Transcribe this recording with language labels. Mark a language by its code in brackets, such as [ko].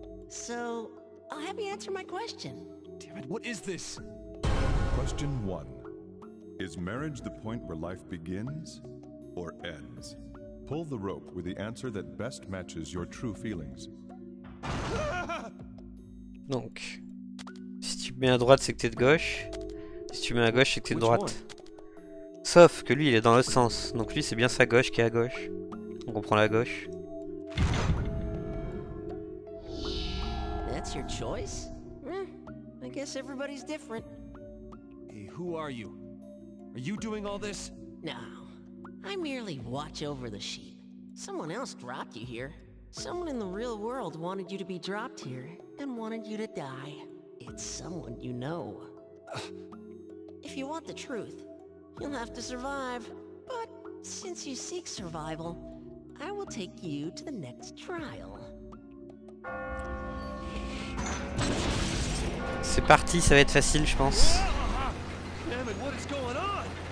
[en] So, I'll have you answer my question. Damn it, what is this? Question one. Is marriage the point where life begins or ends? Pull the rope with the answer that best matches your true feelings. [fr] Donc, si tu mets à droite, c'est que t'es de gauche. Si tu mets à gauche, c'est que t'es de droite. Sauf que lui, il est dans l'autre sens. Donc lui, c'est bien sa gauche qui est à gauche. Donc on prend la gauche. [en] That's your choice. I guess everybody's different. Hey, who are you? Are you doing all this? No. I merely watch over the sheep. Someone else dropped you here. Someone in the real world wanted you to be dropped here and wanted you to die. It's someone you know. If you want the truth, you'll have to survive. But since you seek survival, I will take you to the next trial. [fr] C'est parti, ça va être facile, je pense. [en] Damn it, what is going on?